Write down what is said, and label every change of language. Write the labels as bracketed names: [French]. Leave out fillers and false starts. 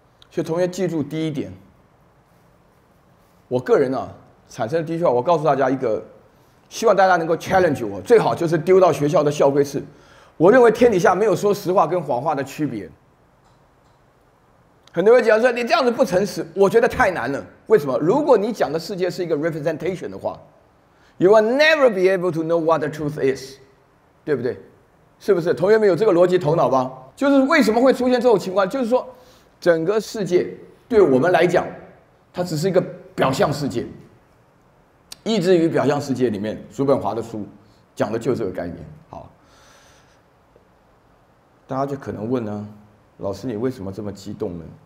[Chinese] 所以同学记住第一点，我个人呢、产生的第一句话，我告诉大家一个，希望大家能够 challenge 我，最好就是丢到学校的校规室。我认为天底下没有说实话跟谎话的区别。很多人讲说你这样子不诚实，我觉得太难了。为什么？如果你讲的世界是一个 [English] representation [Chinese] 的话， [English] You will never be able to know what the truth is， [Chinese] 对不对？是不是？同学们有这个逻辑头脑吧？就是为什么会出现这种情况？就是说，整个世界对我们来讲，它只是一个表象世界。意志与表象世界里面，叔本华的书讲的就是这个概念。好，大家就可能问呢、老师你为什么这么激动呢？